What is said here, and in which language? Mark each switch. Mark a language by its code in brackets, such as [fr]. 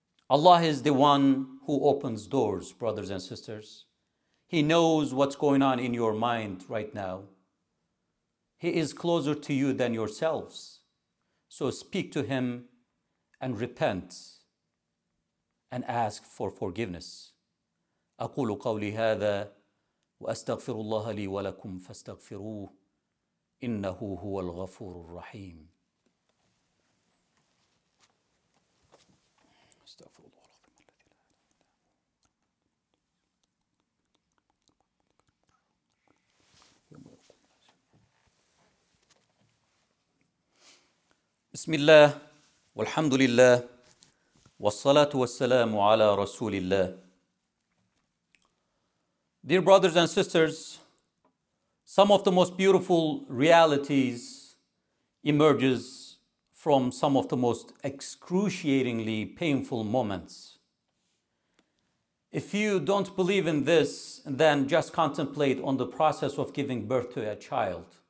[en] Allah is the one who opens doors, brothers and sisters. He knows what's going on in your mind right now. He is closer to you than yourselves. So speak to Him and repent and ask for forgiveness. [ar] أقول قولي هذا وأستغفر الله لي ولكم فاستغفروه إنه هو الغفور الرحيم. بسم الله والحمد لله والصلاة والسلام على رسول الله. [en] Dear brothers and sisters, some of the most beautiful realities emerges from some of the most excruciatingly painful moments. If you don't believe in this, then just contemplate on the process of giving birth to a child.